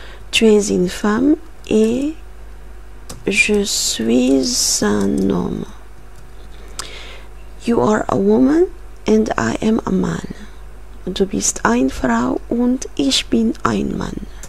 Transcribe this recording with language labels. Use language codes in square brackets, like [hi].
[fr] Tu es une femme et je suis un homme. [en] You are a woman and I am a man. [de] Du bist eine Frau und ich bin ein Mann.